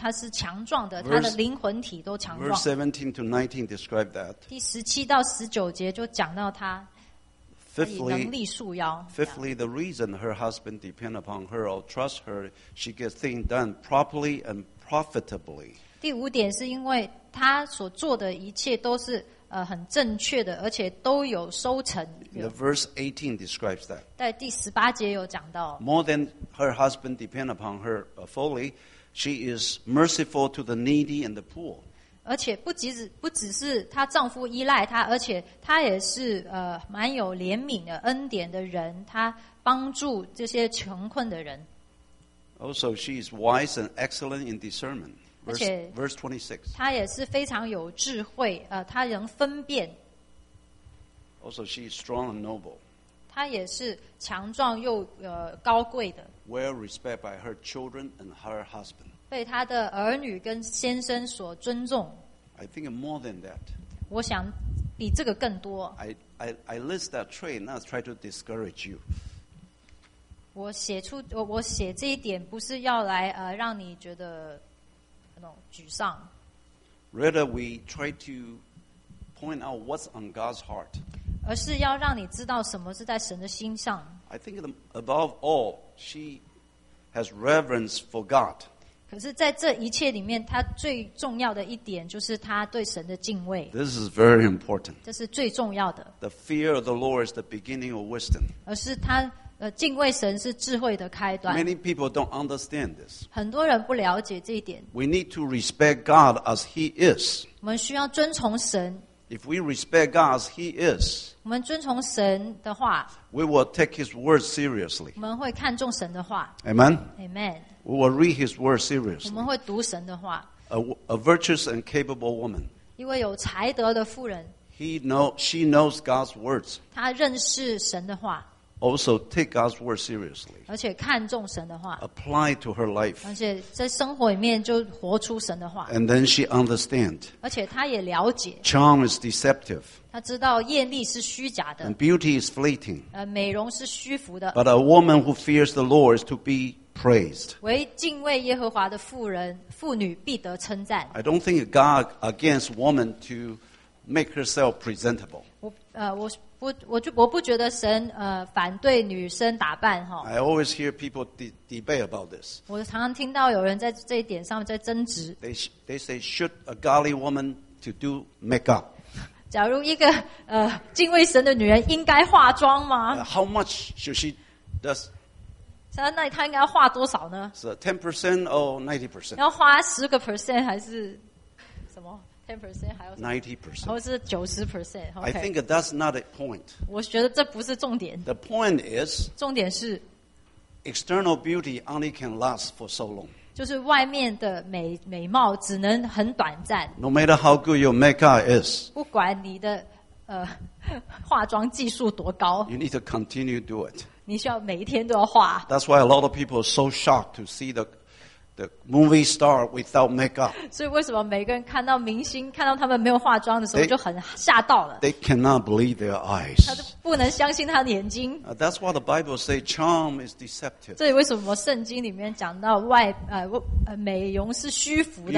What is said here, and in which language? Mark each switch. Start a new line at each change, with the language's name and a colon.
Chinese: 第四点,你知道她的丈夫为什么依赖她,因为她有能力,她是强壮的,她的灵魂体都强壮。
English: Verse 17 to 19 describe that.
Chinese: 第17到19节就讲到她。
English: Fifthly, the reason her husband depends upon her or trusts her, she gets things done properly and profitably.
Chinese: 第五点是因为她所做的一切都是很正确的,而且都有收成。
English: The verse 18 describes that.
Chinese: 在第18节有讲到,
English: more than her husband depends upon her fully, she is merciful to the needy and the poor.
Chinese: 而且不只是她丈夫依赖她，而且她也是蛮有怜悯的恩典的人，她帮助这些穷困的人。
English: Also, she is wise and excellent in discernment. Verse 26.
Chinese: 她也是非常有智慧，她能分辨。
English: Also, she is strong and noble.
Chinese: 她也是强壮又高贵的。
English: Well respected by her children and her husband.
Chinese: 被她的儿女跟先生所尊重。
English: I think more than that.
Chinese: 我想比这个更多。
English: I list that trait, not try to discourage you.
Chinese: 我写这一点不是要来让你觉得沮丧。
English: Rather we try to point out what's on God's heart.
Chinese: 而是要让你知道什么是在神的心上。
English: I think above all, she has reverence for God.
Chinese: 可是在这一切里面，她最重要的一点就是她对神的敬畏。
English: This is very important.
Chinese: 这是最重要的。
English: The fear of the Lord is the beginning of wisdom.
Chinese: 而是她敬畏神是智慧的开端。
English: Many people don't understand this.
Chinese: 很多人不了解这一点。
English: We need to respect God as He is.
Chinese: 我们需要遵从神。
English: If we respect God as He is,
Chinese: 我们遵从神的话。
English: We will take His word seriously.
Chinese: 我们会看重神的话。
English: Amen. Amen. We will read His word seriously.
Chinese: 我们会读神的话。
English: A virtuous and capable woman.
Chinese: 一位有才德的妇人。
English: She knows God's words.
Chinese: 她认识神的话。
English: Also take God's word seriously.
Chinese: 而且看重神的话。
English: Apply to her life.
Chinese: 而且在生活里面就活出神的话。
English: And then she understand.
Chinese: 而且她也了解。
English: Charm is deceptive.
Chinese: 她知道艳丽是虚假的。
English: And beauty is fleeting.
Chinese: 美容是虚浮的。
English: But a woman who fears the Lord is to be praised.
Chinese: 为敬畏耶和华的妇女必得称赞。
English: I don't think God against woman to make herself presentable.
Chinese: 我不觉得神反对女生打扮哈。
English: I always hear people debate about this.
Chinese: 我常常听到有人在这一点上面在争执。
English: They say should a godly woman to do makeup?
Chinese: 假如一个敬畏神的女人应该化妆吗
English: ？How much should she does?
Chinese: 那她应该化多少呢
English: ？Is it 10% or 90%?
Chinese: 要花10%还是什么？90%.
English: I think that's not a point.
Chinese: 我觉得这不是重点。
English: The point is,
Chinese: 重点是
English: external beauty only can last for so long.
Chinese: 就是外面的美貌只能很短暂。
English: No matter how good your makeup is,
Chinese: 不管你的化妆技术多高，
English: you need to continue do it.
Chinese: 你需要每一天都要化。
English: That's why a lot of people are so shocked to see the movie star without makeup.
Chinese: 所以为什么每个人看到明星看到他们没有化妆的时候就很吓到了。
English: They cannot believe their eyes.
Chinese: 他就不能相信他的眼睛。
English: That's why the Bible says charm is deceptive.
Chinese: 这里为什么圣经里面讲到美容是虚浮的。